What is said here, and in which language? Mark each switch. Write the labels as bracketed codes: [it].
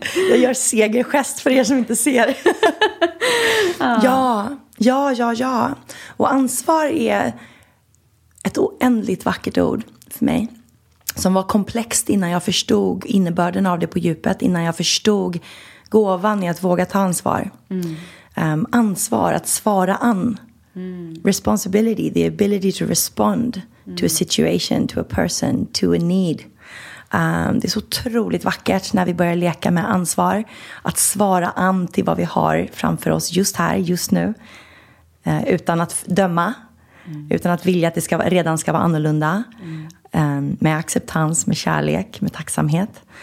[sv] Jag gör segergest för er som inte ser. Ja, ja, ja, ja. Och ansvar är ett oändligt vackert ord för mig. Som var komplext innan jag förstod innebörden av det på djupet. Innan jag förstod gåvan i att våga ta ansvar. Mm. Ansvar, att svara an. Mm. [en] Responsibility, the ability to respond to a situation, to a person, to a need. [sv] Det är så otroligt vackert när vi börjar leka med ansvar. Att svara an till vad vi har framför oss just här, just nu. Utan att döma. Mm. Utan att vilja att det ska, redan ska vara annorlunda. Mm. Med acceptans, med kärlek, med tacksamhet.